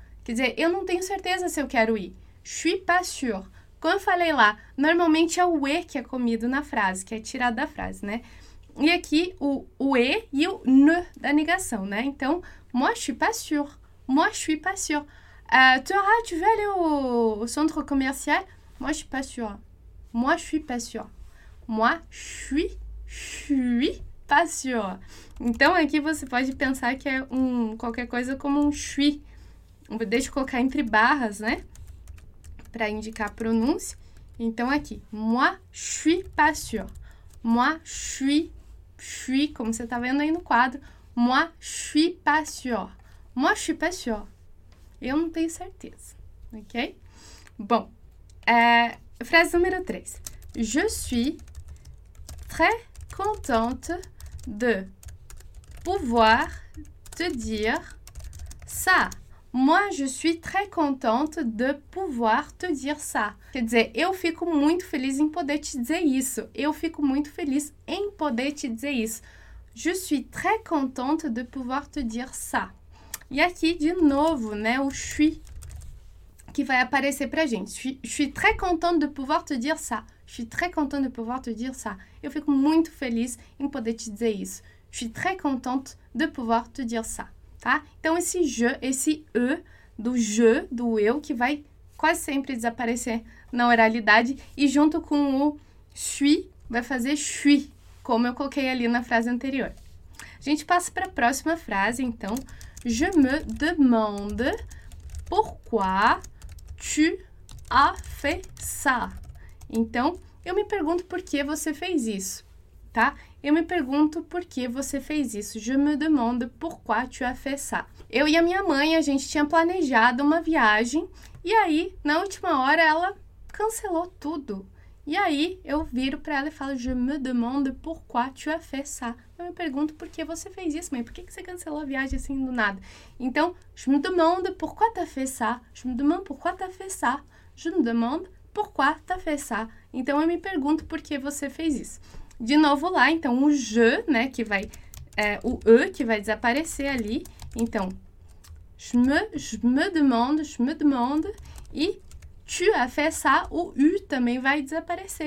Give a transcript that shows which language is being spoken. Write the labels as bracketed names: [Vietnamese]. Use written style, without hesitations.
[Portuguese] Quer dizer, eu não tenho certeza se eu quero ir. [French] Je suis pas sûr. [Portuguese] Como eu falei lá, normalmente é o E que é comido na frase, que é tirado da frase, né? E aqui o E e o ne da negação, né? [French] Então, moi, je suis pas sûr. Moi, je suis pas sûr. Tu veux aller au centre commercial? Moi, je suis pas sûr. Moi, je suis pas sûr. Moi, je suis pas sûr. [Portuguese] Então, aqui você pode pensar que é qualquer coisa como um chui. Deixa eu colocar entre barras, né? Para indicar a pronúncia. Então, aqui. [French] Moi, je suis pas sûr. Moi, je suis, [Portuguese] como você tá vendo aí no quadro. [French] Moi, je suis pas sûr. Moi, je suis pas sûr. [Portuguese] Eu não tenho certeza, ok? Bom, frase número 3. [French] Je suis très contente de pouvoir te dire ça. Moi, je suis très contente de pouvoir te dire ça. [Portuguese] Quer dizer, eu fico muito feliz em poder te dizer isso. Eu fico muito feliz em poder te dizer isso. [French] Je suis très contente de pouvoir te dire ça. [Portuguese] E aqui, de novo, né, o suis que vai aparecer pra gente. [French] Je suis très contente de pouvoir te dire ça. Je suis très contente de pouvoir te dire ça. [Portuguese] Eu fico muito feliz em poder te dizer isso. [French] Je suis très contente de pouvoir te dire ça, tá? [Portuguese] Então, esse je, esse e do je, do eu, que vai quase sempre desaparecer na oralidade. E junto com o suis, vai fazer suis, como eu coloquei ali na frase anterior. A gente passa pra próxima frase, então. [French] Je me demande pourquoi tu as fait ça. [Portuguese] Então, eu me pergunto por que você fez isso, tá? Eu me pergunto por que você fez isso. [French] Je me demande pourquoi tu as fait ça. [Portuguese] Eu e a minha mãe, a gente tinha planejado uma viagem e aí, na última hora, ela cancelou tudo. E aí, eu viro para ela e falo, [French] je me demande pourquoi tu as fait ça. [Portuguese] Eu me pergunto por que você fez isso, mãe. Por que você cancelou a viagem assim do nada? [French] Então, je me demande pourquoi tu as fait ça. Je me demande pourquoi tu as fait ça. Je me demande pourquoi tu as fait ça. [Portuguese] Então, eu me pergunto por que você fez isso. De novo lá, então, o je, né, que vai... o e que vai desaparecer ali. Então, [French] je me demande. [Portuguese] E tu as fait ça, o u também vai desaparecer.